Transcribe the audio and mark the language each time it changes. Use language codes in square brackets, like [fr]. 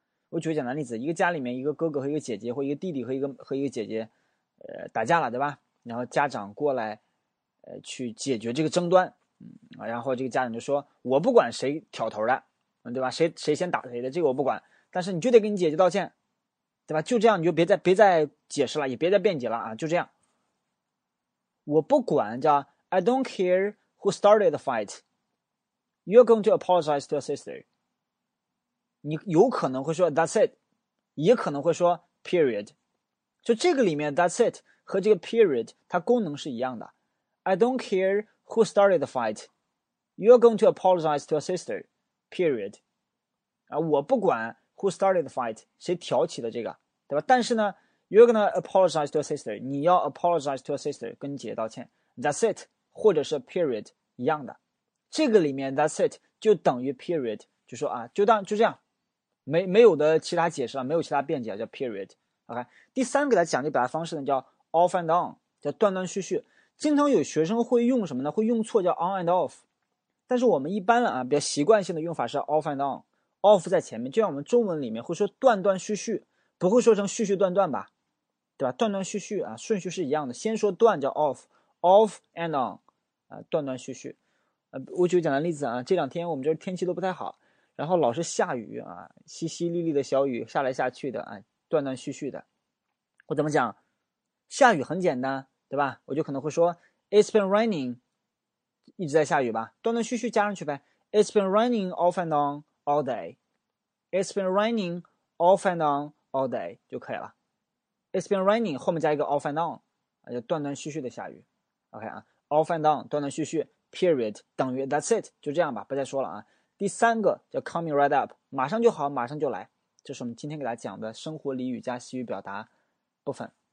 [zh] 我举个简单例子，一个家里面一个哥哥和一个姐姐，或一个弟弟和一个姐姐，打架了，对吧？然后家长过来，去解决这个争端，然后这个家长就说：“我不管谁挑头的，对吧？谁先打谁的，这个我不管，但是你就得跟你姐姐道歉。” 对吧？就这样，你就别再解释了，也别再辩解了啊！就这样，我不管，叫 "I don't care who started the fight." [en] You're going to apologize to your sister. [zh] 你有可能会说 "That's it," 也可能会说 "Period." 就这个里面 "That's it" 和这个 "Period" 它功能是一样的。 [en] "I don't care who started the fight. You're going to apologize to your sister." Period. [zh] 啊，我不管 "Who started the fight?" 谁挑起的这个？对吧？但是呢， you're gonna apologize to your sister。你要 apologize to your sister，跟你姐姐道歉。That's it，或者是 period 一样的。这个里面 that's it 就等于 period，就说啊，就这样，没有的其他解释了，没有其他辩解了，叫 period。 OK，第三个来讲的表达方式呢，叫 off and on，叫断断续续。经常有学生会用什么呢？会用错，叫 on and off。但是我们一般啊，比较习惯性的用法是 off and on。 off 在前面，就像我们中文里面会说断断续续。不会说成絮絮断断吧，对吧？断断续续啊，顺序是一样的。先说断叫 off and on，断断续续。我举个简单例子啊，这两天我们这天气都不太好，然后老是下雨啊，淅淅沥沥的小雨下来下去的啊，断断续续的。我怎么讲？下雨很简单，对吧？我就可能会说 "It's been raining"，一直在下雨吧，断断续续加上去呗。 [en] "It's been raining off and on all day." "It's been raining off and on." [zh] All day 就可以了。It's been raining 后面加一个 off and on，就断断续续的下雨。 OK 啊，off and on 断断续续，period 等于 that's it 就这样吧，不再说了啊。第三个叫 coming right up，马上就好，马上就来，这是我们今天给大家讲的生活俚语加习语表达部分。